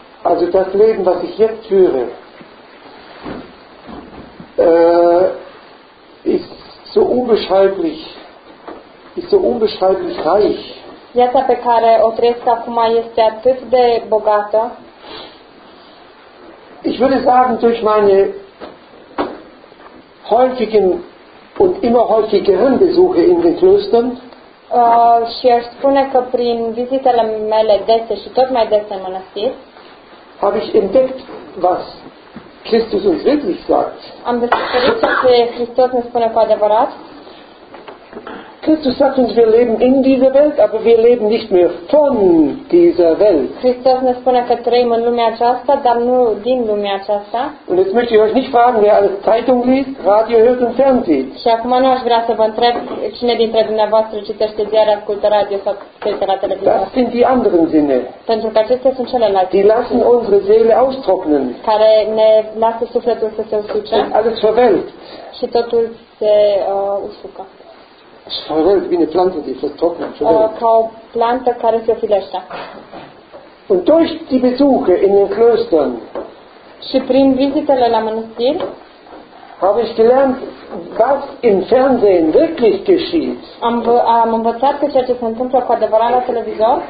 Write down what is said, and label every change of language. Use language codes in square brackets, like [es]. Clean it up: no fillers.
[de] Also das Leben, was ich jetzt führe, ist so unbeschreiblich reich. [ro] Viața pe care o trăiesc acum este atât de bogată. [de] Ich würde sagen, durch meine häufigen und immer häufigeren Besuche in den Klöstern. [ro] Și aș spune că prin vizitele mele dese și tot mai dese în mănăstiri, [de] habe ich entdeckt, was Christus uns wirklich sagt. [ro] Am descoperit ce Hristos ne spune cu adevărat. [de] Christus sagt uns, wir leben in dieser Welt, aber wir leben nicht mehr von dieser Welt. [ro] Christus ne spune că trăim în lumea aceasta, dar nu din lumea aceasta. [de] Und jetzt möchte ich euch nicht fragen, wer alles Zeitung liest, Radio hört und Fernsehen. [ro] Și acum nu aș vrea să vă întreb cine dintre dumneavoastră citește ziare, ascultă radio sau ascultă la televizor. [de] Das sind die anderen Sinne. [ro] Pentru că acestea sunt celelalte. [de] Die lassen unsere Seele austrocknen. [ro] Care ne lasă sufletul să se usuce. [de] Und alles verwelkt. [ro] Și totul se usucă. [de] Wie eine Pflanze, die vertrocknet. [ro] Ca o plantă care se filește. [de] Und durch die Besuche in den Klöstern. [ro] Și prin vizitele la mănăstiri. [de] Habe ich gelernt, was im Fernsehen wirklich geschieht. [ro] Am învățat că ceea ce se întâmplă cu adevărat la televizor.